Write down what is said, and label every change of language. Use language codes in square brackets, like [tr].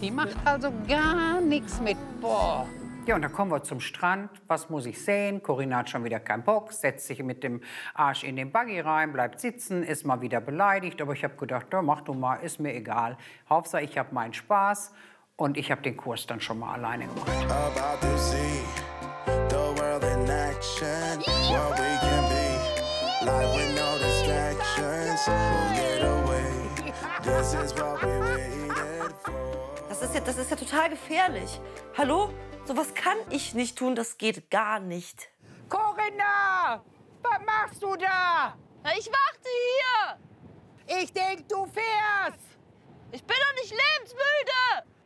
[de] Die macht also gar nichts mit. Boah. Ja, und dann kommen wir zum Strand. Was muss ich sehen? Corinna hat schon wieder keinen Bock, setzt sich mit dem Arsch in den Buggy rein, bleibt sitzen, ist mal wieder beleidigt. Aber ich hab gedacht, ja, mach du mal, ist mir egal. Hauptsache, ich hab meinen Spaß. Und ich habe den Kurs dann schon mal alleine gemacht. [en] About to see the world in action. What we can be, life with no distractions. We'll get away, this is what we waited for. [de] Das ist ja total gefährlich. Hallo? Sowas kann ich nicht tun, das geht gar nicht. Corinna, was machst du da? Na, ich warte hier. Ich denk, du fährst. Ich bin doch nicht lebensmüde.